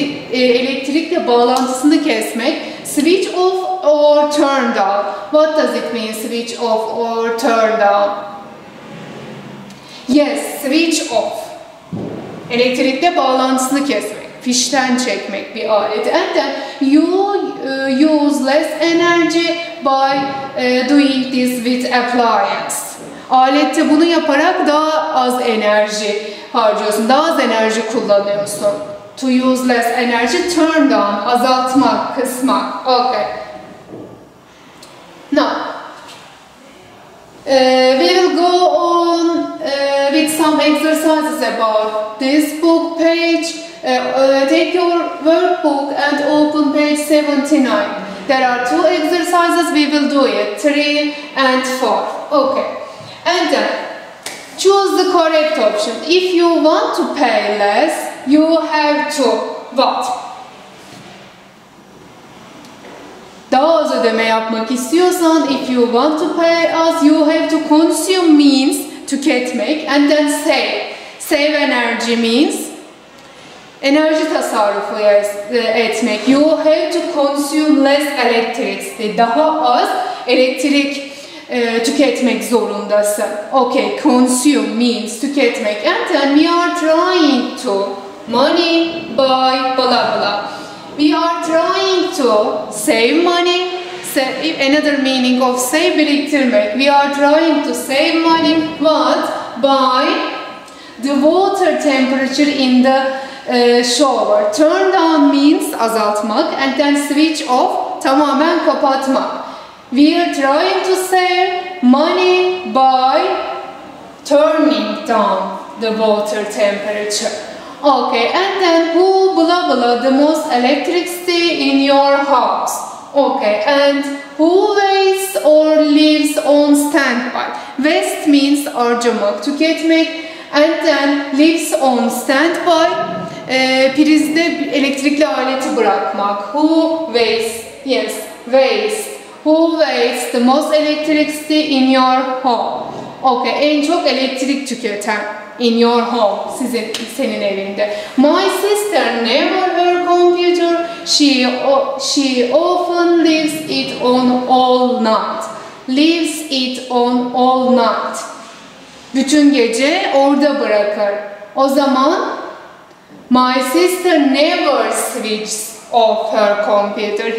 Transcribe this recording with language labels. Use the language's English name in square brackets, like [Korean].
[Turkish] Elektrikle bağlantısını kesmek. [English] Switch off or turn down. What does it mean, switch off or turn down? Yes, switch off. [Turkish] Elektrikle bağlantısını kesmek. Fişten çekmek bir alet. [English] And then you use less energy by doing this with appliance. [Turkish] Alette bunu yaparak daha az enerji harcıyorsun. Daha az enerji kullanıyorsun. [English] To use less energy, turn down, [Turkish] azaltmak, kısmak. [English] Okay. Now, we will go on with some exercises about this book page. Take your workbook and open page 79. There are two exercises. We will do it. 3 and 4. Okay. And then, choose the correct option. If you want to pay less, you have to what? [Turkish] Daha az ödeme yapmak istiyorsan, [English] if you want to pay us, you have to consume means tüketmek. And then save. Save energy means [Turkish] enerji tasarrufu etmek. [English] You have to consume less electricity. [Turkish] Daha az elektrik tüketmek zorundasın. [English] Okay, consume means tüketmek. And then we are trying to money by blah blah. We are trying to save money. Another meaning of save, biriktirmek. We are trying to save money. What? By the water temperature in the shower. Turn down means azaltmak. And then switch off, [Turkish] tamamen kapatmak. [English] We are trying to save money by turning down the water temperature. Okay, and then who blah blah the most electricity in your house? Okay, and who waits or lives on standby? Waste means [Turkish] harcamak, tüketmek. [English] And then lives on standby. [Turkish] Prizde elektrikli aleti bırakmak. [English] Who waste? Yes, waste. Who waste the most electricity in your home? [Turkish] Okay, en çok elektrik tüketen [English] in your home, [Turkish] senin evinde. [English] My sister never her computer. She often leaves it on all night. Leaves it on all night. [Turkish] Bütün gece orada bırakır. O zaman [English] my sister never switches off her computer.